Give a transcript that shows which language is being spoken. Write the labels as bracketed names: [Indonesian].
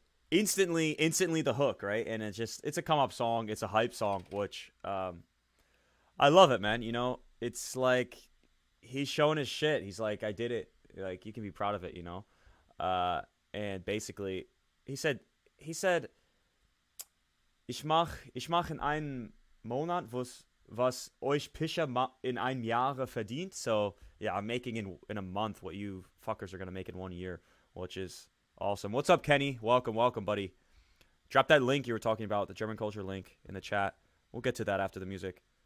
[English] Instantly the hook, right? And it's just, it's a come up song, it's a hype song, which I love it, man. You know, it's like he's showing his shit. He's like, I did it. Like, you can be proud of it, you know. And basically he said [German] ich mach in einem Monat was euch Pischer in einem Jahre verdient. [English] So yeah, I'm making in a month what you fuckers are gonna make in 1 year, which is awesome. What's up, Kenny? Welcome, buddy. Drop that link you were talking about, the German culture link, in the chat. We'll get to that after the music.